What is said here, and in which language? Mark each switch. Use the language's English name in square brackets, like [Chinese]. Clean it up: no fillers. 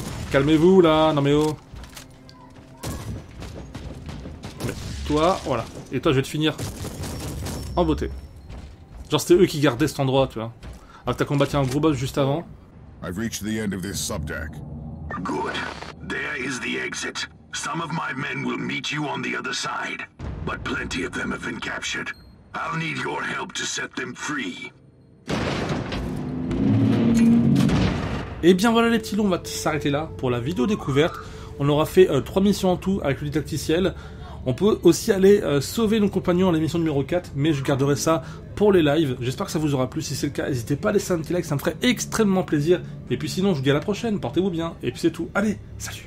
[French] Calmez-vous là, non mais oh. Mais toi, voilà. Et toi, je vais te finir en beauté. Genre, c'était eux qui gardaient cet endroit, tu vois. Alors que t'as combattu un gros boss juste avant. [English] I've reached the end of this subdeck. Good. There is the exit. Some of my men will meet you on the other side. But plenty of them have been captured. I'll need your help to set them free. [French] Et bien voilà les petits loups, on va s'arrêter là pour la vidéo découverte. On aura fait 3 missions en tout avec le didacticiel. On peut aussi aller sauver nos compagnons à l'émission numéro 4, mais je garderai ça pour les lives. J'espère que ça vous aura plu. Si c'est le cas, n'hésitez pas à laisser un petit like, ça me ferait extrêmement plaisir. Et puis sinon, je vous dis à la prochaine, portez-vous bien. Et puis c'est tout. Allez, salut!